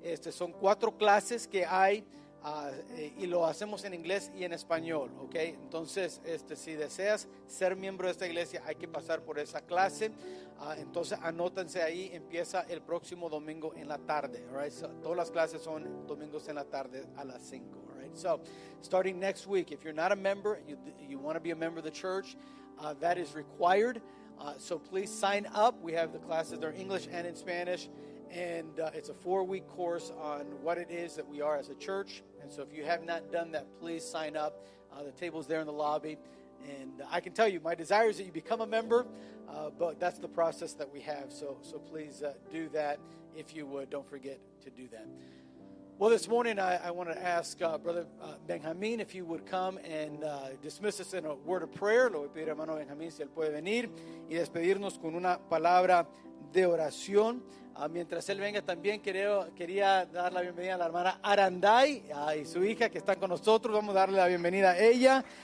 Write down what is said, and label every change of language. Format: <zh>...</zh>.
<es>Son 4 clases que hay, y lo hacemos en inglés y en español, ¿ok? Entonces, si deseas ser miembro de esta iglesia, hay que pasar por esa clase. Entonces, anótense ahí. Empieza el próximo domingo en la tarde, right? So, todas las clases son domingos en la tarde a las 5, right?</es> <en>So, starting next week, if you're not a member, you want to be a member of the church, that is required. So please sign up. We have the classes, they're English and in Spanish, and it's a 4-week course on what it is that we are as a church. And so if you have not done that, please sign up. The table's there in the lobby, and I can tell you my desire is that you become a member, but that's the process that we have. So please do that. If you would, don't forget to do that. Well, this morning I want to ask Brother Benjamin if you would come and dismiss us in a word of prayer.</en> <es>Le voy a pedir a hermano Benjamin si él puede venir y despedirnos con una palabra de oración. Mientras él venga, también quería dar la bienvenida a la hermana Aranday y su hija que están con nosotros. Vamos a darle la bienvenida a ella.</es>